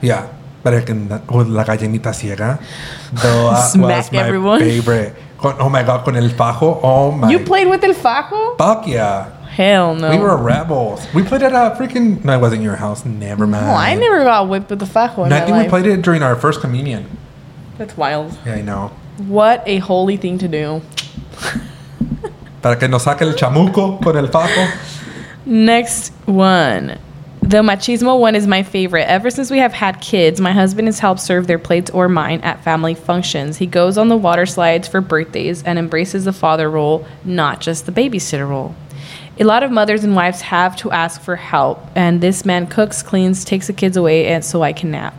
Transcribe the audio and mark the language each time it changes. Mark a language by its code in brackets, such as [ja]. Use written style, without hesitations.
[en] Yeah. But I can, with La Gallinita Ciega. Smack my everyone. Favorite. Oh my god, [es] con el fajo. [en] Oh my. You played with el fajo? Fuck yeah. Hell no. We were rebels. We played at a freaking. No, it wasn't your house. Never mind. Well, I never got whipped with the fajo. No, I think we played it during our first communion. That's wild. Yeah, I know. What a holy thing to do. [es] Para que nos saque el chamuco con el fajo. [en] Next one. The machismo one is my favorite. Ever since we have had kids, my husband has helped serve their plates or mine at family functions. He goes on the water slides for birthdays and embraces the father role, not just the babysitter role. A lot of mothers and wives have to ask for help, and this man cooks, cleans, takes the kids away, and so I can nap.